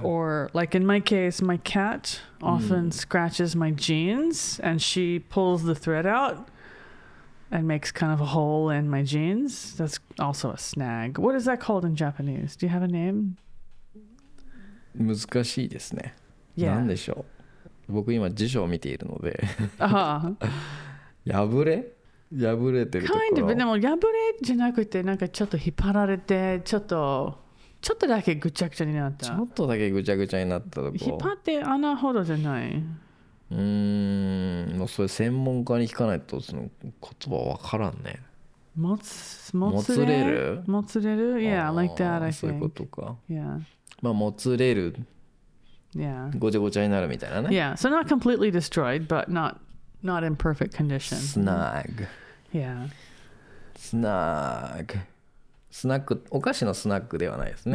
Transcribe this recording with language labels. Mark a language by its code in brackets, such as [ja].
[en] Or like in my case, my cat often scratches my jeans and she pulls the thread out and makes kind of a hole in my jeans. That's also a snag. What is that called in Japanese? Do you have a name? [ja] 難しいですね。何でしょう。僕今辞書を見ているので。破れ？破れてるところ。 [en] Kind of, but [ja] でも破れじゃなくてなんかちょっと引っ張られてちょっと。ちょっとだけぐちゃぐちゃになった。ちょっとだけぐちゃぐちゃになったとこ。引っ張って穴ほどじゃない。もうそれ専門家に聞かないとその言葉わからんね。もつれる？もつれる？ [en] Yeah, like that, I think. [ja] そういうことか。 [en] Yeah. [ja] まあもつれる。 [en] Yeah. [ja] ごちゃごちゃになるみたいなね。 [en] Yeah, so not completely destroyed, but not in perfect condition. Snag. Yeah. Snag. [ja] スナック、お菓子のスナックではないですね。